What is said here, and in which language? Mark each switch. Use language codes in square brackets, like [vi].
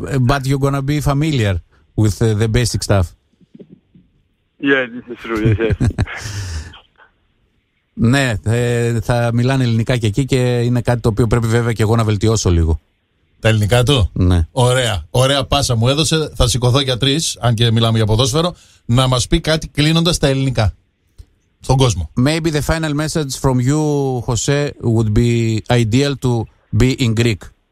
[en] But you're gonna be familiar with the basic stuff. Yeah, this is true, yes. [el] Ναι, θα μιλάνε ελληνικά και εκεί και είναι κάτι το οποίο πρέπει βέβαια και εγώ να βελτιώσω λίγο. Τα ελληνικά του? Ναι. Ωραία. Ωραία πάσα μου έδωσε. Θα σηκωθώ για τρεις, αν και μιλάμε για ποδόσφαιρο, να μας πει κάτι κλείνοντας τα ελληνικά. Στον κόσμο. [en] Maybe the final message from you, Jose, would be ideal to be in Greek.